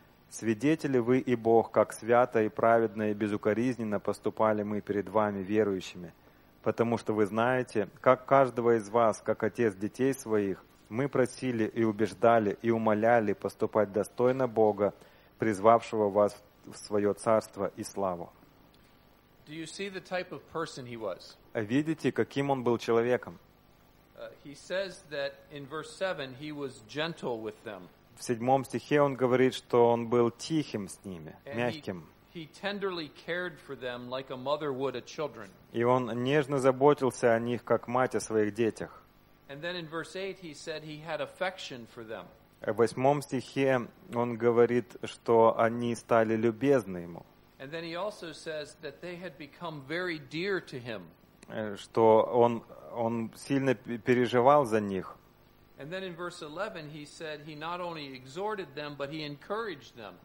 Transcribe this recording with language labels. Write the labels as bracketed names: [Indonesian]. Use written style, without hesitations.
[Russian] Свидетели вы и Бог, как свято и праведно и безукоризненно поступали мы перед вами верующими, потому что вы знаете, как каждого из вас, как отец детей своих, мы просили и убеждали и умоляли поступать достойно Бога, призвавшего вас в свое царство и славу. [English] Do you see the type of person he was? [Russian] Видите, каким он был человеком? [English] He says that in verse 7 he was gentle with them. [Russian] в 7 стихе он говорит, что он был тихим с ними, мягким. [English] He tenderly cared for them like a mother would a children. [Russian] И он нежно заботился о них, как мать о своих детях. [English] And then in verse 8 he said he had affection for them. [Russian] В 8 стихе он говорит, что они стали любезны ему. [English] And then he also says that they had become very dear to him. [Russian] Что он сильно переживал за них. [English] And then in verse 11 he said he not only exhorted them but he encouraged them.